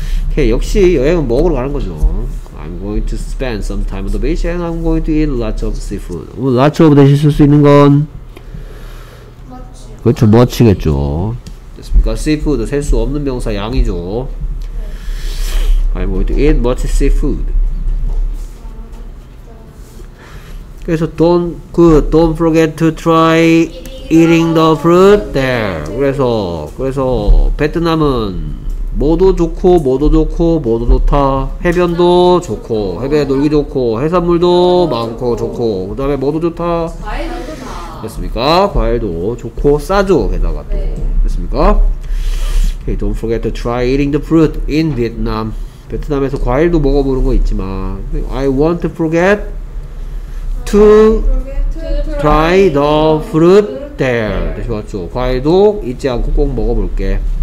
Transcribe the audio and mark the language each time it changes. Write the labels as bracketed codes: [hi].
[ko] 오케이, 역시 여행은 먹으러 가는 거죠. [en] I'm going to spend some time on the beach and I'm going to eat lots of seafood. [ko] Lots of 대신 쓸 수 있는 건? [en] Much. [ko] 그렇죠. Much겠죠. 됐습니까? Seafood, 셀 수 없는 명사 양이죠. [en] I'm going to eat much seafood. [ko] 그래서 [en] don't forget to try eating the fruit there. [ko] 그래서 베트남은 뭐도 좋다. 해변도 좋고, 해변에 놀기 좋고, 해산물도 많고 좋고, 그 다음에 뭐도 좋다? 과일도 좋다. 됐습니까? 과일도 좋고 싸죠. 게다가 또. 됐습니까? [en] Okay, don't forget to try eating the fruit in Vietnam. [ko] 베트남에서 과일도 먹어보는 거 있지 마. [en] I won't forget to try the fruit there. [ko] 다시 왔죠. 과일도 잊지 않고 꼭 먹어볼게.